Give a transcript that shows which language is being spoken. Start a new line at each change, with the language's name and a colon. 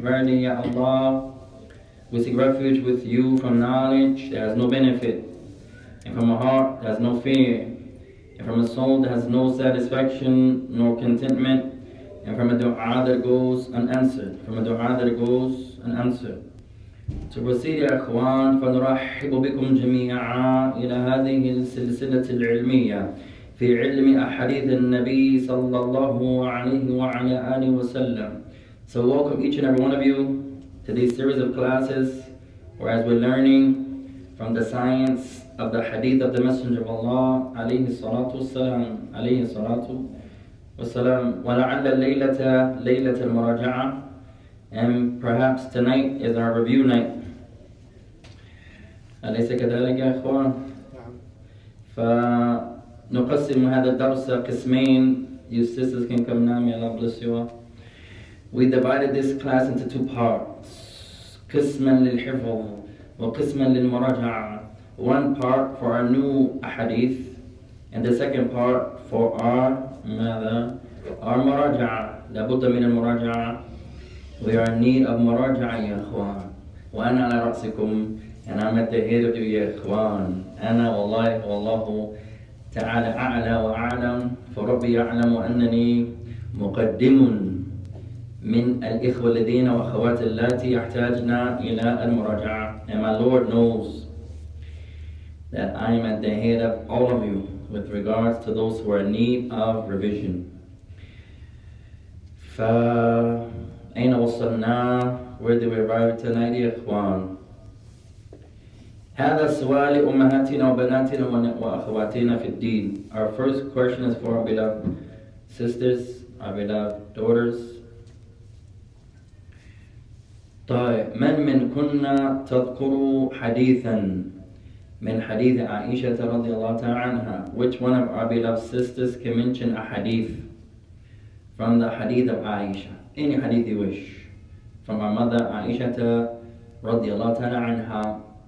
English: Verily, ya Allah, we seek refuge with you from knowledge that has no benefit, and from a heart that has no fear, and from a soul that has no satisfaction nor contentment, and from a dua that goes unanswered, from a dua that goes unanswered. To proceed, ya akhwan,
Arabic: فَنُرَحِّبُ بِكُمْ جَمِيعًا إِلَى هَذِهِ السِّلْسِلَةِ الْعِلْمِيَّةِ فِي عِلْمِ أَحَدِيثِ النَّبِيِّ صَلَّى اللَّهُ عَلَيْهِ وَعَلَى آلِهِ وَسَلَّمَ.
English: So welcome each and every one of you to this series of classes, whereas we're learning from the science of the hadith of the Messenger of Allah, alayhi salatu wasalam, alayhi salatu wassalam.
Arabic: وَلَعَلَّ اللَّيْلَةَ لَيْلَةَ الْمُرَاجَعَةَ.
English: And perhaps tonight is our review night.
Arabic: أليس كذلك يا أخوان؟ نعم. فنقسم هذا الدرس قسمين.
English: You sisters can come now. May Allah bless you all. We divided this class into two parts.
Arabic: قسم للحفظ وقسم للمراجعة.
English: One part for our new ahadith, and the second part for our
Arabic: ماذا؟
English: Our مراجعة.
Arabic: لابد من المراجعة.
English: We are in need of
Arabic: مراجعة يا إخوان. وأنا على رأسكم.
English: And I'm at the head of you
Arabic: يا إخوان. أنا والله والله تعالى أعلى وأعلم. فربي يعلم أنني مقدم من الإخوة الذين وأخوات اللاتي يحتاجنا إلى المراجعة.
English: And my Lord knows that I am at the head of all of you with regards to those who are in need of revision.
Arabic: فأين وصلنا؟
English: Where did we arrive tonight,
Arabic: يا إخوان؟ هذا سؤال أمهاتنا وبناتنا وأخواتنا في الدين.
English: Our first question is for our beloved sisters, our beloved daughters.
Arabic: طيب من منكن تذكر حديثا من حديث عائشة رضي الله تعالى عنها.
English: Which one of our beloved sisters can mention a hadith from the hadith of Aisha? Any hadith you wish. From our mother Aisha
Arabic: رضي الله تعالى عنها.